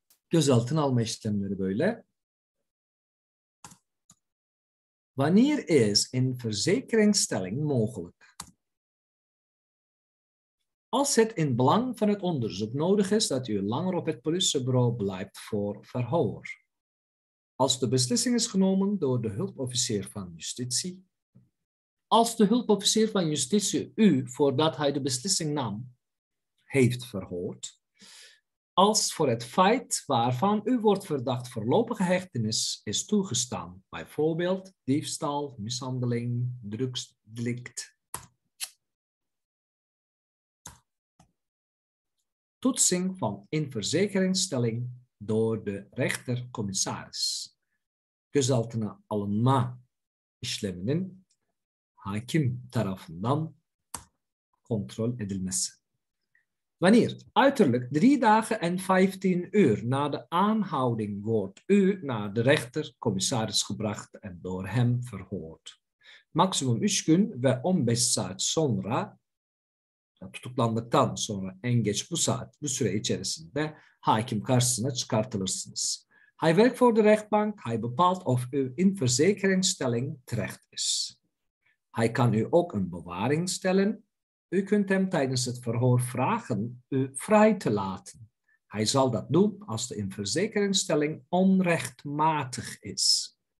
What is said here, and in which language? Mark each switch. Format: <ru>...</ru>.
<tr>Gözaltına alma işlemleri böyle.</tr> <nl>Wanneer is in verzekeringstelling mogelijk? Als het in belang van het onderzoek nodig is dat u langer op het politiebureau blijft voor verhoor. Als de beslissing is genomen door de hulpofficier van justitie. Als de hulpofficier van justitie u, voordat hij de beslissing nam, heeft verhoord, als voor het feit waarvan u wordt verdacht voorlopige hechtenis is toegestaan, bijvoorbeeld diefstal, mishandeling, drugsdelict. Toetsing van inverzekeringstelling door de rechtercommissaris.</nl> <tr>Gözaltına alınma işleminin hakim tarafından kontrol edilmesi.</tr> <nl>Wanneer uiterlijk 3 dagen en 15 uur na de aanhouding wordt u naar de rechter, commissaris gebracht en door hem verhoord.</nl> <tr>Maximum 3 gün ve 15 saat sonra Tutuklandıktan sonra en geç bu saat, bu süre içerisinde hakim karşısına çıkartılırsınız.</tr> <nl>Hij werkt voor de rechtbank. Hij bepaalt of u in verzekeringsstelling terecht is. Hij kan u ook een bewaring stellen. U kunt hem tijdens het verhoor vragen u vrij te laten. Hij zal dat doen als de inverzekeringsstelling onrechtmatig is.</nl>